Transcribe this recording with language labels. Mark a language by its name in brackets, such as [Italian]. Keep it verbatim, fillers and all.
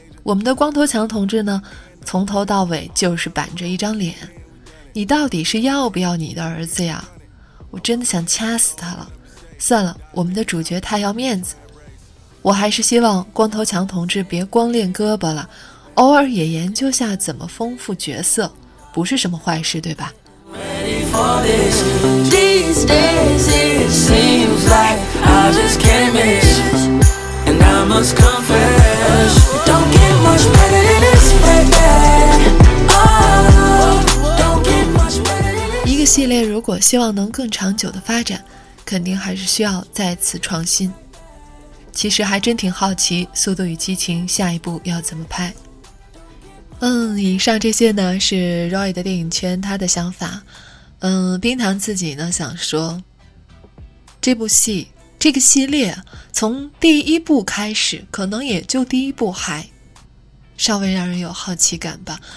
[Chinese] 我们的光头强同志呢，从头到尾就是板着一张脸，你到底是要不要你的儿子呀？我真的想掐死他了。算了，我们的主角太要面子，我还是希望光头强同志别光练胳膊了，偶尔也研究下怎么丰富角色，不是什么坏事，对吧？ [English] These days it seems like I just can't miss, and I must confess, it don't get much better than this, baby. Oh, don't get much better than this. [Chinese] 一个系列如果希望能更长久的发展，肯定还是需要再次创新。其实还真挺好奇《速度与激情》下一步要怎么拍。嗯，以上这些呢是 Roy 的电影圈他的想法。嗯，冰糖自己呢想说，这部戏这个系列从第一部开始，可能也就第一部还稍微让人有好奇感吧。